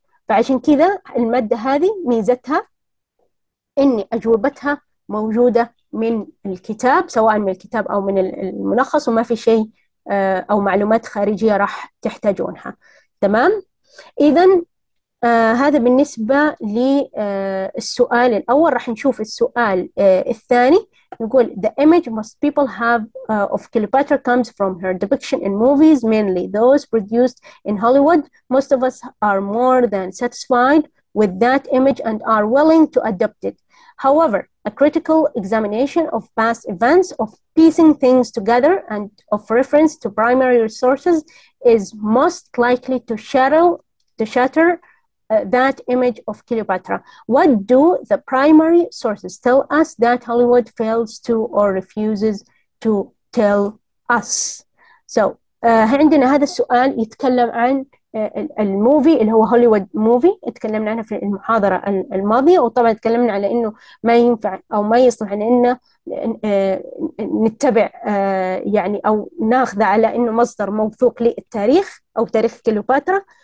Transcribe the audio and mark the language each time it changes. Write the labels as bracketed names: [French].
[Arabic] فعشان كذا الماده هذه ميزتها ان اجوبتها موجوده من الكتاب، سواء من الكتاب او من الملخص، وما في شيء او معلومات خارجيه راح تحتاجونها. تمام؟ اذا هذا بالنسبة للسؤال الأول. راح نشوف السؤال الثاني. نقول [English] the image most people have of Cleopatra comes from her depiction in movies, mainly those produced in Hollywood. Most of us are more than satisfied with that image and are willing to adopt it. However, a critical examination of past events, of piecing things together, and of reference to primary sources is most likely to shatter that image of Cleopatra. What do the primary sources tell us that Hollywood fails to or refuses to tell us? [Arabic] So, عندنا هذا السؤال يتكلم عن الموفي اللي هو هوليوود موفي، تكلمنا عنه في المحاضرة الماضية، وطبعا تكلمنا على انه ما ينفع او ما يصلح ان نتبع يعني او ناخذه على انه مصدر موثوق للتاريخ او تاريخ كليوباترا.